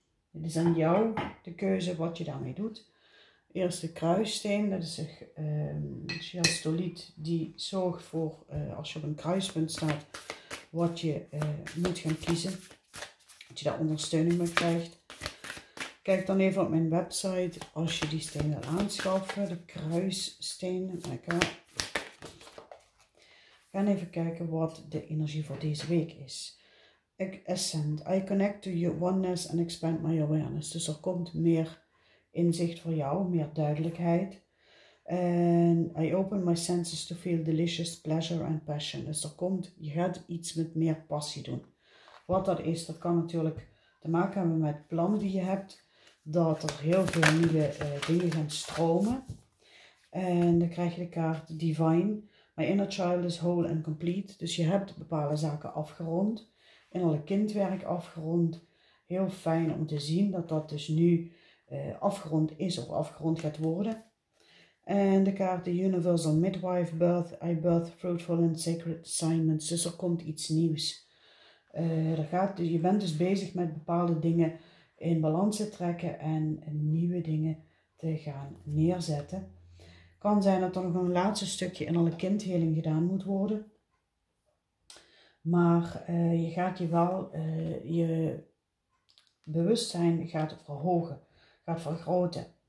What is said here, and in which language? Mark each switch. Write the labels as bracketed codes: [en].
[nl] Het is aan jou de keuze wat je daarmee doet. Eerste kruissteen, dat is een chiastoliet die zorgt voor, als je op een kruispunt staat, wat je moet gaan kiezen. Dat je daar ondersteuning mee krijgt. Kijk dan even op mijn website als je die steen wil aanschaffen, de kruissteen. Lekker. Ga even kijken wat de energie voor deze week is. Ik ascend. [en] I connect to your oneness and expand my awareness. [nl] Dus er komt meer inzicht voor jou, meer duidelijkheid. [en] And I open my senses to feel delicious pleasure and passion. [nl] Dus er komt, je gaat iets met meer passie doen. Wat dat is, dat kan natuurlijk te maken hebben met plannen die je hebt. Dat er heel veel nieuwe dingen gaan stromen. En dan krijg je de kaart Divine. [en] My inner child is whole and complete. [nl] Dus je hebt bepaalde zaken afgerond. Innerlijk kindwerk afgerond. Heel fijn om te zien dat dat dus nu afgerond is of afgerond gaat worden. En de kaart The Universal Midwife Birth. [en] I birth fruitful and sacred assignments. [nl] Dus er komt iets nieuws. Je bent dus bezig met bepaalde dingen in balans te trekken en nieuwe dingen te gaan neerzetten. Kan zijn dat er nog een laatste stukje innerlijke kindheling gedaan moet worden. Maar je gaat je wel, je bewustzijn gaat verhogen, gaat vergroten.